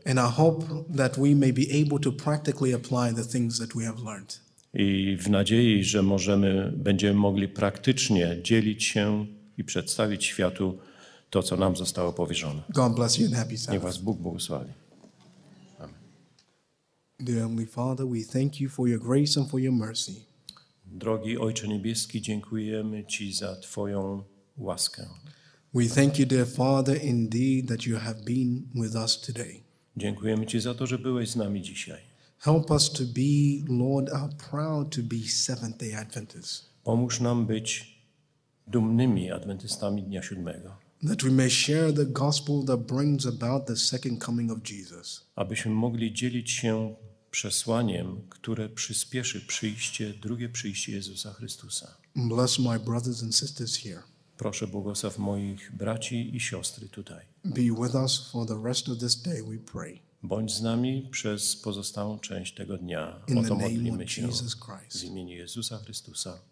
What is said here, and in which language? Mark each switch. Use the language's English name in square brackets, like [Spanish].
[English] And I hope that we may be able to practically apply the things that we have learned. [Polish] I w nadziei, że możemy, będziemy mogli praktycznie dzielić się i przedstawić światu to, co nam zostało powierzone. [English] God bless you and happy Sabbath. [Polish] Niech was Bóg błogosławi. Amen. [English] Dear Heavenly Father, we thank you for your grace and for your mercy. [Polish] Drogi Ojcze Niebieski, dziękujemy Ci za Twoją łaskę. [English] We thank you, dear Father, indeed, that you have been with us today. [Polish] Dziękujemy Ci za to, że byłeś z nami dzisiaj. [English] Help us to be, Lord, are proud to be Seventh-day Adventists. [Polish] Pomóż nam być dumnymi Adwentystami Dnia Siódmego. [English] That we may share the gospel that brings about the second coming of Jesus. [Polish] Abyśmy mogli dzielić się przesłaniem, które przyspieszy przyjście, drugie przyjście Jezusa Chrystusa. [English] Bless my brothers and sisters here. [Polish] Proszę, błogosław moich braci i siostry tutaj. [English] Be with us for the rest of this day, we pray. [Polish] Bądź z nami przez pozostałą część tego dnia. Oto modlimy się w imieniu Jezusa Chrystusa.